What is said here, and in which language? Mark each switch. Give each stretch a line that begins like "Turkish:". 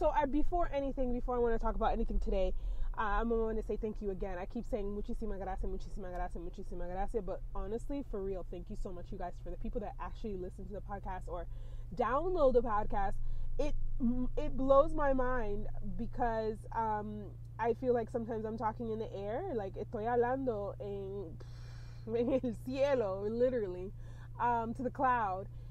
English: Before I want to talk about anything today, I'm going to say thank you again. I keep saying
Spanish: muchísimas gracias, muchísimas gracias, muchísimas gracias.
English: But honestly, for real, thank you so much, you guys, for the people that actually listen to the podcast or download the podcast. It blows my mind because I feel like sometimes I'm talking in the air. Like,
Spanish: estoy hablando en el cielo,
English: literally, to the cloud.